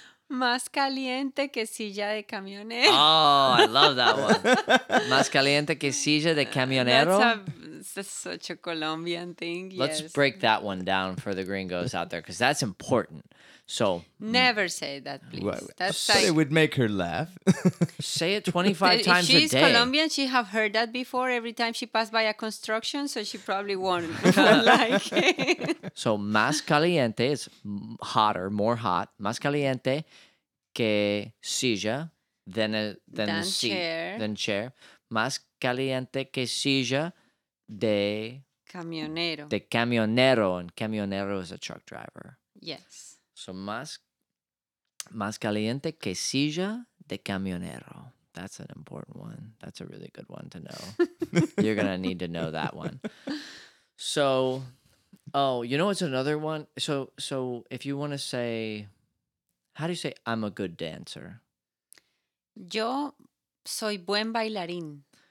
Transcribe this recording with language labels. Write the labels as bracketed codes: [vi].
[es] Más caliente que silla de camionero. [en] Oh, I love that one. [es] Más caliente que silla de camionero. [en] That's such a Colombian thing. Let's break that one down for the gringos out there because that's important. So never say that, please. Well, that's like, it would make her laugh. Say it 25 times a day. She's Colombian. She have heard that before every time she passed by a construction, so she probably won't like it. So más caliente is hotter, more hot. [es] Más caliente que silla than the seat, [en] chair. Than chair. [es] Más caliente que silla de camionero. De camionero. [en] And camionero is a truck driver. Yes. So [es] más caliente que silla de camionero. [en] That's an important one. That's a really good one to know. You're going to need to know that one. So, you know what's another one? So if you want to say, how do you say, I'm a good dancer? [es] Yo soy buen bailarín.